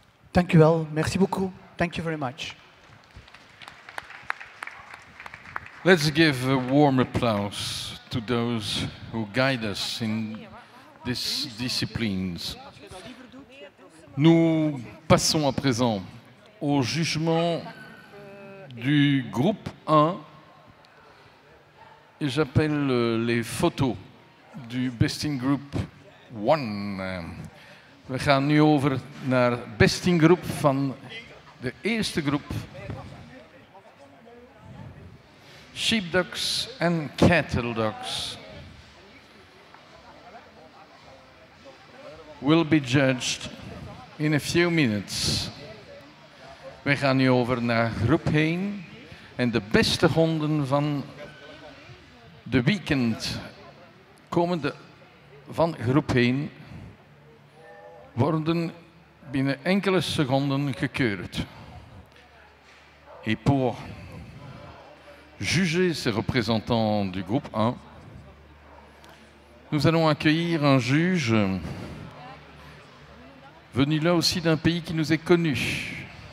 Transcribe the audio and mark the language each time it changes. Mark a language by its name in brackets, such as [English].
[Dutch] Dank u wel. [French] Merci beaucoup. [English] Thank you very much. Let's give a warm applause to those who guide us in these disciplines. [French] Nous passons à présent au jugement du groupe 1 et j'appelle les photos du Best in Group 1. [Dutch] We gaan nu over naar Best in Group van de eerste groep. [English] sheepdogs and cattle dogs will be judged in a few minutes. [Dutch] We gaan nu over naar groep 1 en de beste honden van de weekend komen van groep 1 worden binnen enkele seconden gekeurd. [French] Et pour juger ces représentants du groupe 1, nous allons accueillir un juge venu là aussi d'un pays qui nous est connu.